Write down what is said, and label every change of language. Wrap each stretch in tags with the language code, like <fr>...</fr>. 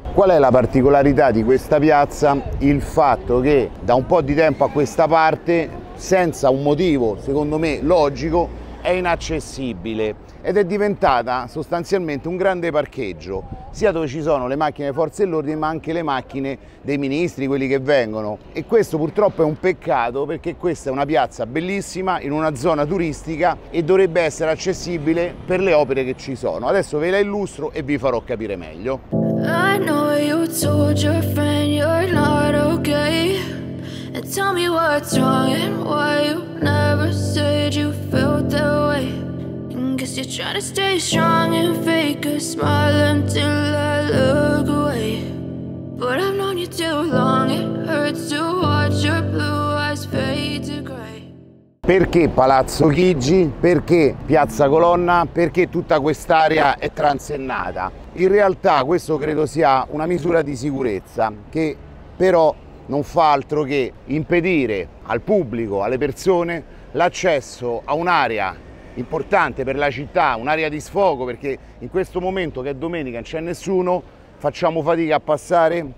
<it>Qual è la particolarità di questa piazza? Il fatto che da un po' di tempo a questa parte, senza un motivo, secondo me, logico, è inaccessibile ed è diventata sostanzialmente un grande parcheggio, sia dove ci sono le macchine forze dell'ordine, ma anche le macchine dei ministri, quelli che vengono. E questo purtroppo è un peccato, perché questa è una piazza bellissima in una zona turistica e dovrebbe essere accessibile per le opere che ci sono. Adesso ve la illustro e vi farò capire meglio.</it> <en>I know you told your friend you're not okay. And tell me what's wrong and why you never said you felt that way. And guess you're trying to stay strong and fake a smile until I look away. But I've known you too long, it hurts to watch your blue eyes fade to gray.</en> <it>Perché Palazzo Chigi? Perché Piazza Colonna? Perché tutta quest'area è transennata? In realtà questo credo sia una misura di sicurezza che però non fa altro che impedire al pubblico, alle persone, l'accesso a un'area importante per la città, un'area di sfogo, perché in questo momento che è domenica non c'è nessuno, facciamo fatica a passare.</it>